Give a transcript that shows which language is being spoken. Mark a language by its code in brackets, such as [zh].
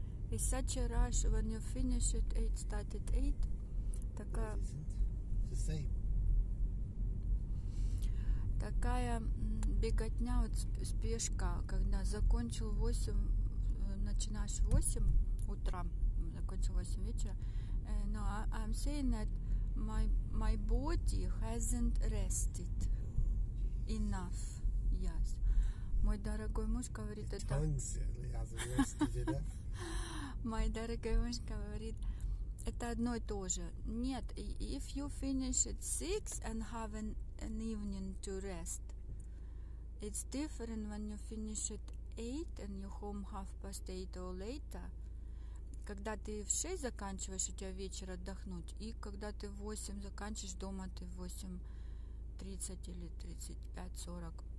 [en] It's such a rush when you finish at 8, start at 8. It's the same. [ru] Такая беготня, вот спешка, когда закончил 8, начинаешь 8 утра, закончил 8 вечера. [en] No, I'm saying that my body hasn't rested enough. Yes. [ru] Мой дорогой муж говорит это. [en] Tongue certainly hasn't rested enough. [ru] Мой дорогой муж говорит, это одно и то же. [en] Нет, if you finish at 6 and have an evening to rest, it's different when you finish at 8 and you home 8:30 or later. [ru] Когда ты в 6 заканчиваешь, у тебя вечер отдохнуть, и когда ты в 8 заканчиваешь дома, ты в 8:30 или 35:40.